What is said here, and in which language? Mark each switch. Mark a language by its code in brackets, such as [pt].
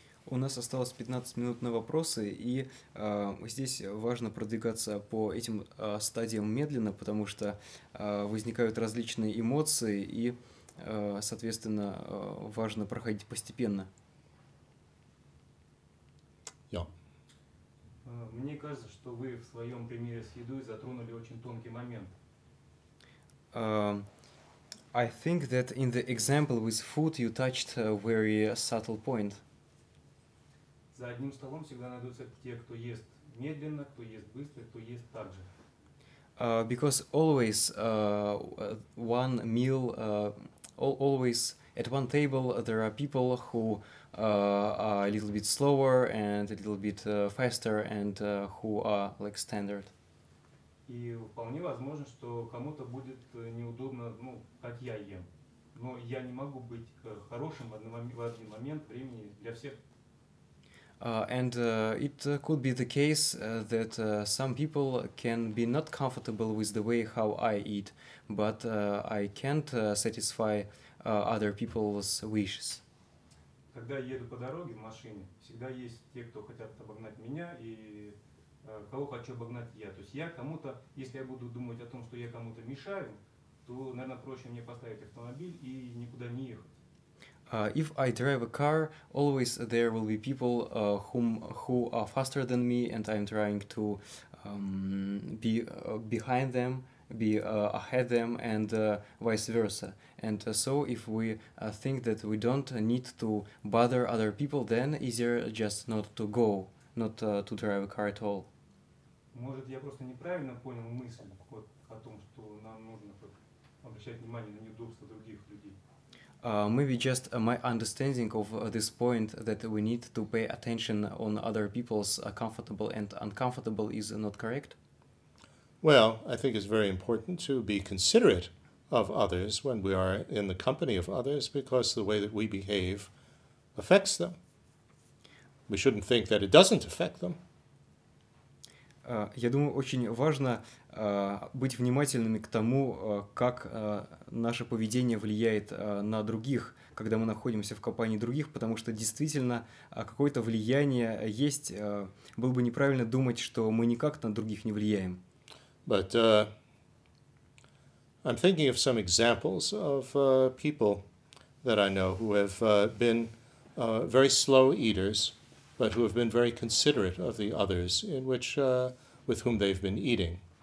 [ru] У нас осталось 15 минут на вопросы, и здесь важно продвигаться по этим стадиям медленно, потому что возникают различные эмоции, и, соответственно, важно проходить постепенно. [en] Yeah. [ru] Мне кажется, что вы в своем примере с едой затронули очень тонкий момент. [en] I think that in the example with food you touched a very subtle point. [ru] За одним столом всегда найдутся те, кто ест медленно, кто ест быстро, кто ест так же. [en] Because always one meal, always at one table there are people who are a little bit slower and a little bit faster and who are like standard. [ru] И вполне возможно, что кому-то будет неудобно, ну, как я ем. Но я не могу быть хорошим в один момент времени для всех. [en] And it could be the case that some people can be not comfortable with the way how I eat, but I can't satisfy other people's wishes. [ru] Когда я еду по дороге в машине, всегда есть те, кто хотят обогнать меня, и кого хочу обогнать я. То есть я кому-то, если я буду думать о том, что я кому-то мешаю, то, наверное, проще мне поставить автомобиль и никуда не ехать. [en] If I drive a car, always there will be people who are faster than me, and I'm trying to be behind them, be ahead them, and vice versa. And so if we think that we don't need to bother other people, then easier just not to go, not to drive a car at all. [ru] Может, я просто неправильно понял мысль вот о том, что нам нужно обращать внимание на неудобства других людей. [en] Maybe just my understanding of this point that we need to pay attention on other people's comfortable and uncomfortable is not correct? Well, I think it's very important to be considerate of others when we are in the company of others because the way that we behave affects them. We shouldn't think that it doesn't affect them. [ru] Я думаю, очень важно быть внимательными к тому, как наше поведение влияет на других, когда мы находимся в компании других, потому что действительно какое-то влияние есть. Было бы неправильно думать, что мы никак на других не влияем. [en] But I'm thinking of some examples of people that I know who have been very slow eaters, but who have been very considerate of the others, in which with whom they've been eating.